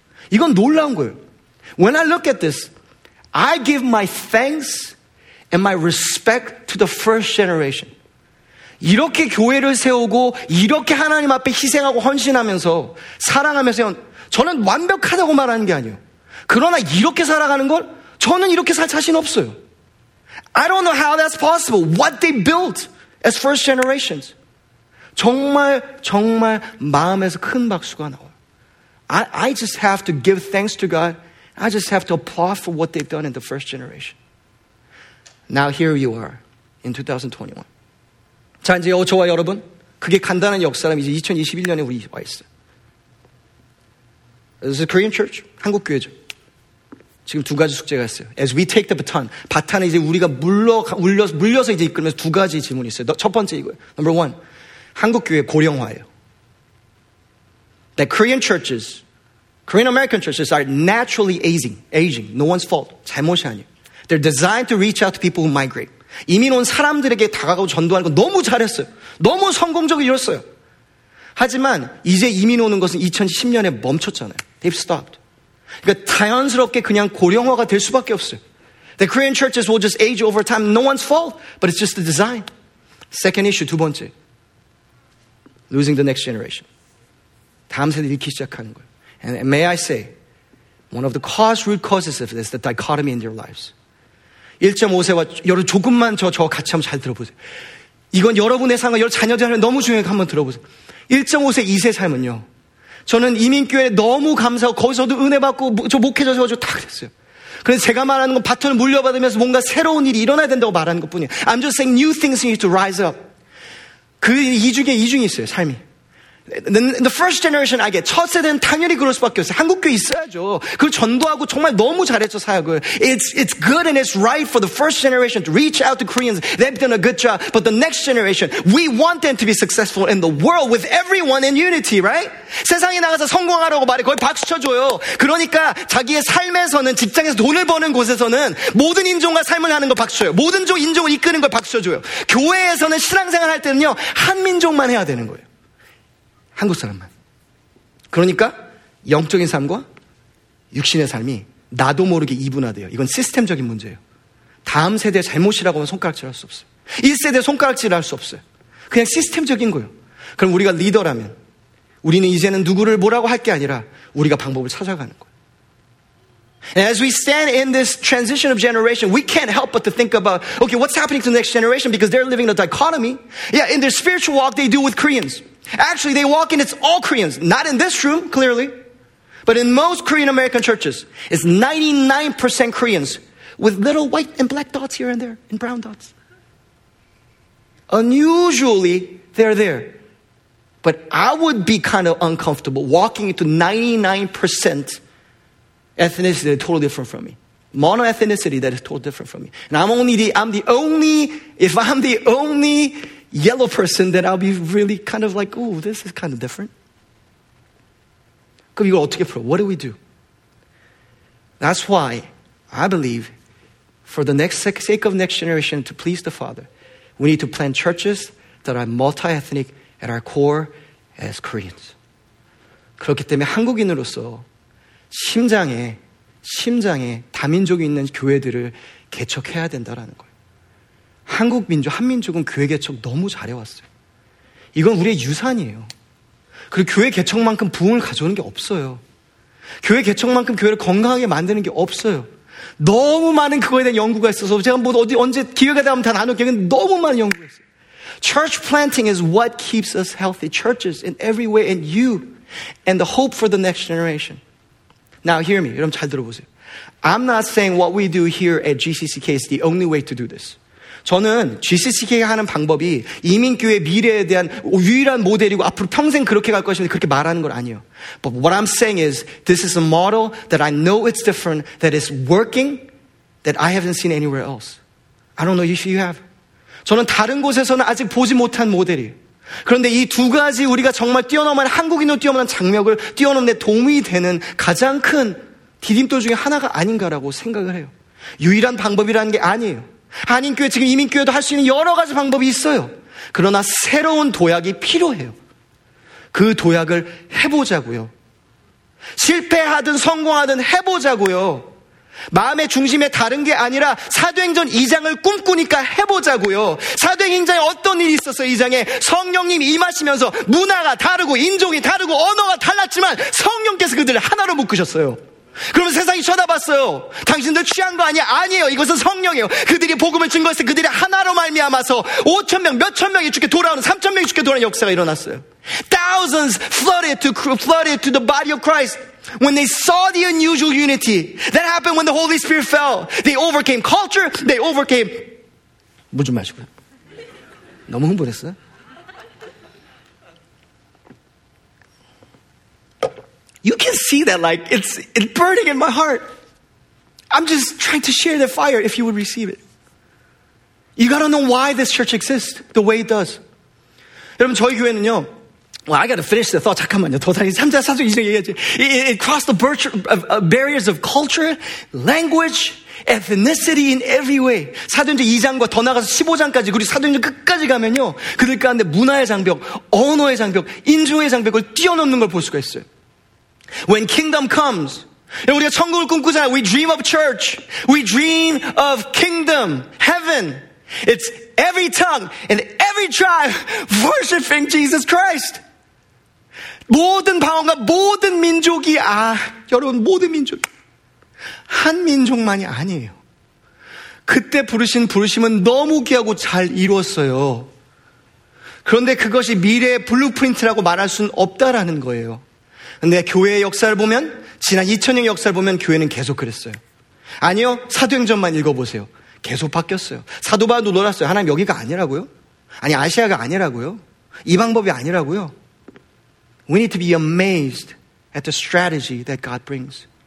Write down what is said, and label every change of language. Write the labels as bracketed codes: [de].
[ko] 이건 놀라운 거예요. [en] When I look at this, I give my thanks and my respect to the first generation. [ko] 이렇게 교회를 세우고 이렇게 하나님 앞에 희생하고 헌신하면서 사랑하면서 저는 완벽하다고 말하는 게 아니에요. 그러나 이렇게 살아가는 걸 저는 이렇게 살 자신 없어요. [en] I don't know how that's possible. What they built as first generations. [ko] 정말 정말 마음에서 큰 박수가 나와요. [en] I just have to give thanks to God. I just have to applaud for what they've done in the first generation. Now here you are in 2021. [ko] 자 이제 저와 여러분 그게 간단한 역사라 이제 2021년에 우리 와 있어요. [en] This is a Korean church, [ko] 한국 교회죠. 지금 두 가지 숙제가 있어요. [en] As we take the baton, [ko] 바탄을 이제 우리가 물려서 이제 이끌면서 두 가지 질문이 있어요. 첫 번째 이거예요. [en] Number one, [ko] 한국 교회 고령화예요. [en] That Korean churches, Korean American churches are naturally aging. No one's fault. [ko] 잘못이 아니에요. [en] They're designed to reach out to people who migrate. [ko] 이민 온 사람들에게 다가가고 전도하는 거 너무 잘했어요. 너무 성공적으로 이뤘어요. 하지만 이제 이민 오는 것은 2010년에 멈췄잖아요. [en] They've stopped. [ko] 그러니까 자연스럽게 그냥 고령화가 될 수밖에 없어요. [en] The Korean churches will just age over time. No one's fault, but it's just the design. Second issue, [ko] 두 번째. [en] Losing the next generation. [ko] 다음 세대를 잃기 시작하는 거예요. [en] And may I say, one of the root causes of this, the dichotomy in their lives. [ko] 1.5세와 여러분 조금만 저 같이 한번 잘 들어보세요. 이건 여러분의 삶과 여러 자녀들의 삶을 너무 중요해서 한번 들어보세요. 1.5세, 2세 삶은요. 저는 이민교회에 너무 감사하고 거기서도 은혜 받고 저 목회자 세워주고 다 그랬어요. 그래서 제가 말하는 건 바톤을 물려받으면서 뭔가 새로운 일이 일어나야 된다고 말하는 것뿐이에요. [en] I'm just saying new things need to rise up. [ko] 그 이중에 이중이 있어요, 삶이. [en] The first generation, I get. [ko] 첫 세대는 당연히 그럴 수밖에 없어요. 한국교회 있어야죠. 그걸 전도하고 정말 너무 잘했죠, 사역을. [en] It's good and it's right for the first generation to reach out to Koreans. They've done a good job. But the next generation, we want them to be successful in the world with everyone in unity, right? [ko] 세상에 나가서 성공하라고 말해. 거의 박수 쳐줘요. 그러니까 자기의 삶에서는, 직장에서 돈을 버는 곳에서는 모든 인종과 삶을 하는 걸 박수 쳐요. 모든 인종을 이끄는 걸 박수 쳐줘요. 교회에서는 신앙생활 할 때는요, 한민족만 해야 되는 거예요. 한국 사람만. 그러니까 영적인 삶과 육신의 삶이 나도 모르게 이분화돼요. 이건 시스템적인 문제예요. 다음 세대 잘못이라고는 손가락질할 수 없어요. 1세대 손가락질할 수 없어요. 그냥 시스템적인 거예요. 그럼 우리가 리더라면 우리는 이제는 누구를 뭐라고 할 게 아니라 우리가 방법을 찾아가는 거예요. [en] As we stand in this transition of generation, we can't help but to think about, okay, what's happening to the next generation? Because they're living in a dichotomy. Yeah, in their spiritual walk, they do with Koreans. Actually, they walk in, it's all Koreans. Not in this room, clearly. But in most Korean-American churches, it's 99% Koreans with little white and black dots here and there, and brown dots. Unusually, they're there. But I would be kind of uncomfortable walking into 99% ethnicity that is totally different from me. Mono-ethnicity that is totally different from me. And if I'm the only yellow person, then I'll be really kind of like, ooh, this is kind of different. [ko] 그럼 이걸 어떻게 풀어? [en] What do we do? That's why I believe for the next sake of next generation to please the Father, we need to plant churches that are multi-ethnic at our core as Koreans. [ko] 그렇기 때문에 한국인으로서 심장에 다민족이 있는 교회들을 개척해야 된다라는 거예요. 한국 민족, 한민족은 교회 개척 너무 잘해왔어요. 이건 우리의 유산이에요. 그리고 교회 개척만큼 부흥을 가져오는 게 없어요. 교회 개척만큼 교회를 건강하게 만드는 게 없어요. 너무 많은 그거에 대한 연구가 있어서 제가 뭐 언제 기회가 되면 다 나눌게요. 근데 너무 많은 연구가 있어요. [en] Church planting is what keeps us healthy. Churches in every way and you and the hope for the next generation. Now hear me. [ko] 여러분 잘 들어보세요. [en] I'm not saying what we do here at GCCK is the only way to do this. [ko] 저는 GCCK가 하는 방법이 이민교회 미래에 대한 유일한 모델이고 앞으로 평생 그렇게 갈 것인데 그렇게 말하는 건 아니에요. [en] But what I'm saying is this is a model that I know it's different, that is working, that I haven't seen anywhere else. I don't know if you have. [ko] 저는 다른 곳에서는 아직 보지 못한 모델이에요. 그런데 이 두 가지 우리가 정말 뛰어넘은, 한국인으로 뛰어넘는 장벽을 뛰어넘는 데 도움이 되는 가장 큰 디딤돌 중에 하나가 아닌가라고 생각을 해요. 유일한 방법이라는 게 아니에요. 한인교회, 지금 이민교회도 할 수 있는 여러 가지 방법이 있어요. 그러나 새로운 도약이 필요해요. 그 도약을 해보자고요. 실패하든 성공하든 해보자고요. 마음의 중심에 다른 게 아니라 사도행전 2장을 꿈꾸니까 해보자고요. 사도행전에 어떤 일이 있었어요? 2장에 성령님이 임하시면서 문화가 다르고 인종이 다르고 언어가 달랐지만 성령께서 그들을 하나로 묶으셨어요. 그러면 세상이 쳐다봤어요. 당신들 취한 거 아니야? 아니에요. 이것은 성령이에요. 그들이 복음을 증거했을 때 그들이 하나로 말미암아서 5천명, 몇천명이 주께 돌아오는, 3천명이 주께 돌아오는 역사가 일어났어요. [en] Thousands flooded to the body of Christ. When they saw the unusual unity that happened when the Holy Spirit fell, they overcame culture, they overcame... [ko] 물 좀 마시고요. 너무 흥분했어요. 이 [en] burning in my heart. I'm just trying to share the fire if you would receive it. You gotta know why this church exists the way it does. [ko] 여러분 저희 교회는요. [en] Well, I gotta finish the thought. [ko] 잠깐만요. 도대체 3자 사도 이제 얘기하지. [en] It crossed the barriers of culture, language, ethnicity in every way. [ko] 사도행전 2장과 더 나가서 15장까지 그리고 사도행전 끝까지 가면요. 그들 가운데 문화의 장벽, 언어의 장벽, 인종의 장벽을 뛰어넘는 걸 볼 수가 있어요. [en] When kingdom comes, [ko] 우리가 천국을 꿈꾸잖아요. [en] We dream of church. We dream of kingdom, heaven. It's every tongue and every tribe worshiping Jesus Christ. [ko] 모든 방언과 모든 민족이, 아, 여러분, 모든 민족. 한 민족만이 아니에요. 그때 부르신 부르심은 너무 귀하고 잘 이루었어요. 그런데 그것이 미래의 블루프린트라고 말할 수는 없다라는 거예요. 근데 교회의 역사를 보면, 지난 2000년 역사를 보면 교회는 계속 그랬어요. 아니요, 사도행전만 읽어보세요. 계속 바뀌었어요. 사도바도 놀랐어요. 하나님 여기가 아니라고요? 아니 아시아가 아니라고요? 이 방법이 아니라고요? [en] We need to be amazed at the strategy that God brings.